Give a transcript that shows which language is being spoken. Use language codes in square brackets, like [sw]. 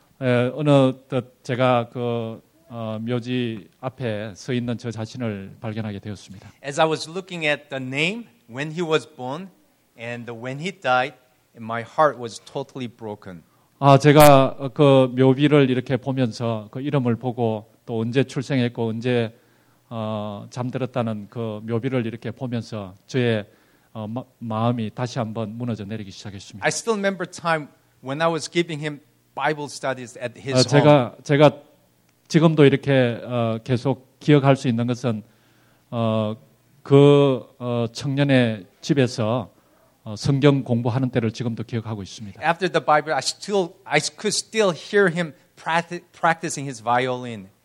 [ko] 어느덧 제가 그 묘지 앞에 서 있는 저 자신을 발견하게 되었습니다. [en] As I was looking at the name, when he was born and when he died, my heart was totally broken. [ko] 제가 그 묘비를 이렇게 보면서 그 이름을 보고 또 언제 출생했고 언제 잠들었다는 그 묘비를 이렇게 보면서 저의 마음이 다시 한번 무너져 내리기 시작했습니다. [en] I still remember time when I was giving him Bible studies at his home. [ko] 제가 지금도 이렇게 계속 기억할 수 있는 것은 청년의 집에서 성경 공부하는 때를 지금도 기억하고 있습니다. [en] After the Bible, I could still hear him practicing his violin.